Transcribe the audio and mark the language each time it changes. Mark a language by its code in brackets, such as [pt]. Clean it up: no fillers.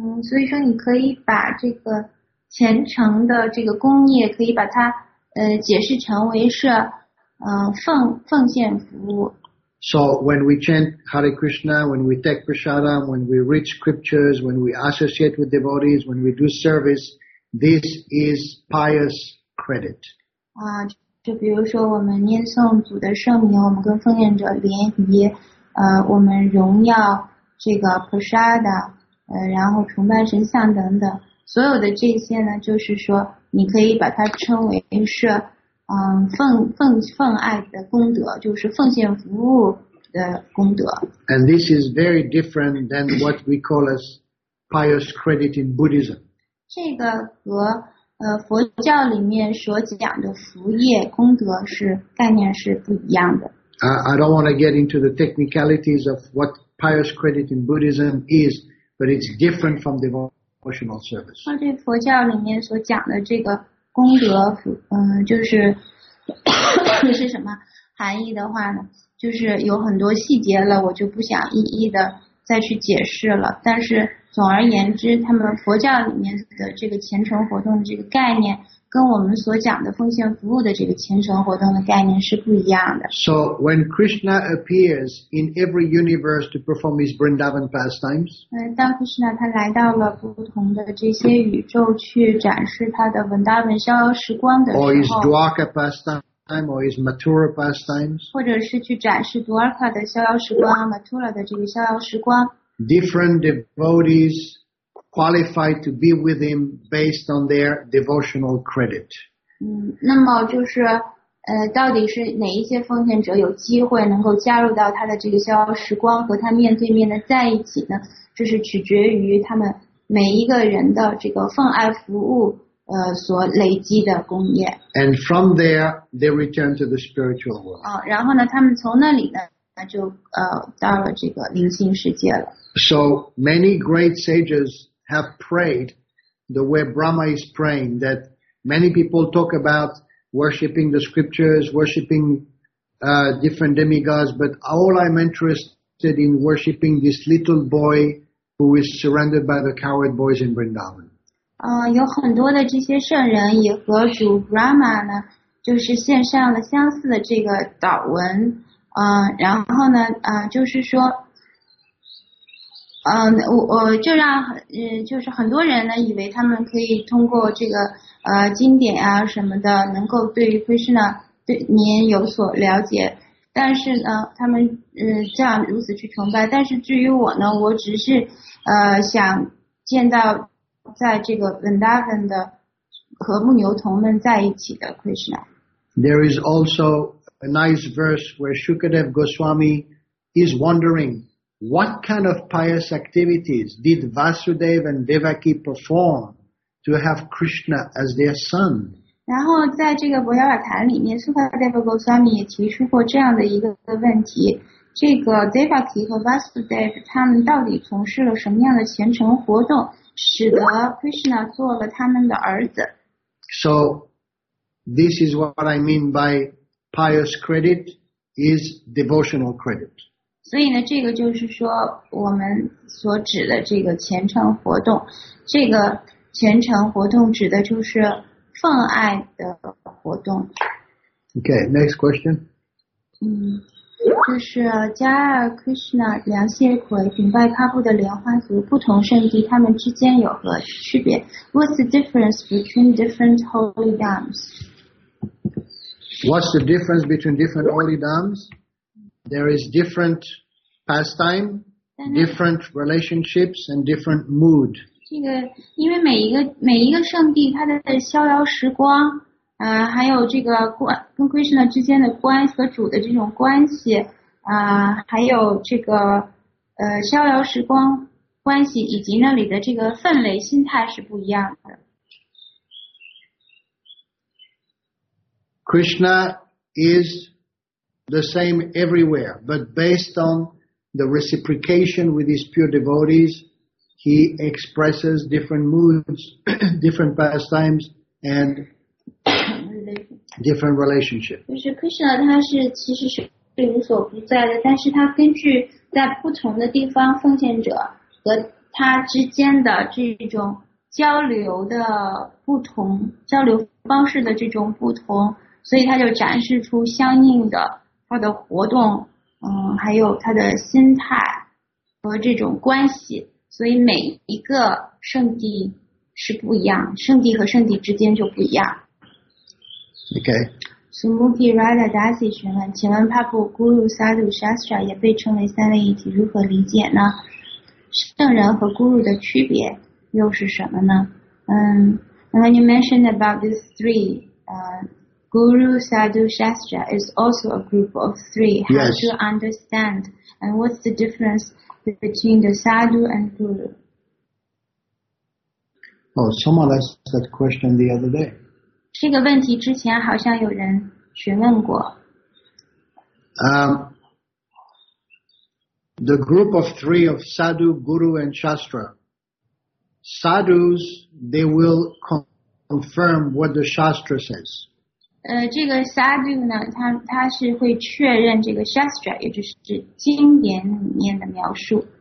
[zh] 所以说你可以把这个虔诚的这个功业可以把它解释成为是奉献服务。 [en] So when we chant Hare Krishna, when we take prasadam, when we read scriptures, when we associate with devotees, when we do service, this is pious credit. [zh] 就比如说我们念诵主的圣名，我们跟奉献者联谊，我们荣耀这个 prasadam, 然后崇拜神像等等。所有的这些呢，就是说你可以把它称为是奉爱的功德，就是奉献服务的功德。 [en] And this is very different than what we call as pious credit in Buddhism. [zh] 这个和佛教里面所讲的福业功德是概念是不一样的。 [en] I don't want to get into the technicalities of what pious credit in Buddhism is, but it's different from the devotional service. [zh] 那对佛教里面所讲的这个功德，就是是什么含义的话呢？就是有很多细节了，我就不想一一的再去解释了。但是总而言之，他们佛教里面的这个虔诚活动的这个概念，跟我们所讲的奉献服务的这个虔诚活动的概念是不一样的。 [en] So when Krishna appears in every universe to perform his Vrindavan pastimes, [zh] 当 Krishna 他来到了不同的这些宇宙去展示他的 Vrindavan 逍遥时光的时候 [en] ，or his Dwarka pastime, or his Mathura pastimes, [zh] 或者是去展示 Dwarka 的逍遥时光 ，Mathura 的这个逍遥时光 [en] ，different devotees qualified to be with him based on their devotional credit. [zh] 那么就是到底是哪一些奉献者有机会能够加入到他的这个逍遥时光和他面对面的在一起呢？这是取决于他们每一个人的这个奉爱服务所累积的功业。 [en] And from there, they return to the spiritual world. [zh] 然后呢，他们从那里呢，就到了这个灵性世界了。 [en] So many great sages have prayed the way Brahma is praying, that many people talk about worshipping the scriptures, worshipping different demigods, but all I'm interested in worshipping this little boy who is surrounded by the coward boys in Vrindavan. [zh] 有很多的这些圣人也和主 Brahma 呢，就是献上了相似的这个祷文。然后呢，就是说我就让就是很多人呢以为他们可以通过这个经典啊什么的能够对于奎师呢对您有所了解，但是呢他们这样如此去崇拜，但是至于我呢，我只是想见到在这个 Vrindavan 的和牧牛童们在一起的奎师呢。 [en] There is also a nice verse where Shukadev Goswami is wondering,What kind of pious activities did Vasudev and Devaki perform to have Krishna as their son? [zh] 然后在这个博雅瓦坛里面 ，Shukadeva Goswami 也提出过这样的一个问题：这个 Devaki 和 Vasudev 他们到底从事了什么样的虔诚活动，使得 Krishna 做了他们的儿子 [en] ？So this is what I mean by pious credit is devotional credit. [zh] 所以呢，这个就是说我们所指的这个虔诚活动，这个虔诚活动指的就是奉爱的活动。 [en] Okay, next question. [zh] 就是加尔 Krishna 梁谢奎顶拜喀布的莲花族不同圣地，他们之间有何区别 ？ [en] What's the difference between different holy dhams? What's the difference between different holy dhams? There is different pastime, different relationships, and different mood. [zh] 这个因为每一个圣地它的逍遥时光，还有这个跟 Krishna 之间的关系和主的这种关系，还有这个逍遥时光关系以及那里的这个氛围心态是不一样的。 [en] Krishna is the same everywhere, but based on the reciprocation with his pure devotees, he expresses different moods, different pastimes, and different relationships. [zh] 就是 Krishna 他是其实是无所不在的，但是他根据在不同的地方奉献者和他之间的这种交流的不同，交流方式的这种不同，所以他就展示出相应的他的活动，还有他的心态和这种关系，所以每一个圣地是不一样，圣地和圣地之间就不一样。 [en] Okay. [zh] Sumuki Radha Dasi 询问，请问 Papu Guru Sadhu Shastra 也被称为三位一体，如何理解呢？圣人和 Guru 的区别又是什么呢？ [en] When you mentioned about these three, Guru Sadhu Shastra is also a group of three. How yes. to understand and what's the difference between the Sadhu and Guru? Oh, someone asked that question the other day. [zh] 这个问题之前好像有人询问过。 [en] The group of three of Sadhu, Guru and Shastra. Sadhus, they will confirm what the Shastra says. [zh] 这个 Sadhu 呢，他是会确认这个 Shastra， 也就是经典里面的描述。